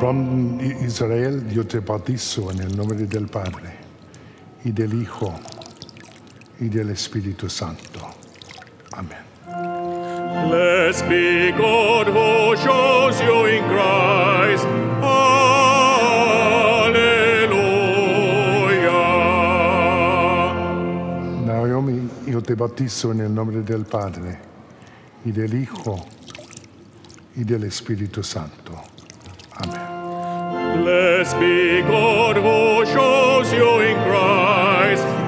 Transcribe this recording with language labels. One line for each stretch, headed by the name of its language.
Spanish: From Israel, yo te bautizo en el nombre del Padre, y del Hijo, y del Espíritu Santo. Amen.
English: Blessed be God who shows you in Christ. Alleluia.
Spanish: Naomi, yo te bautizo en el nombre del Padre, y del Hijo, y del Espíritu Santo. Amen.
English: Blessed be God who shows you in Christ.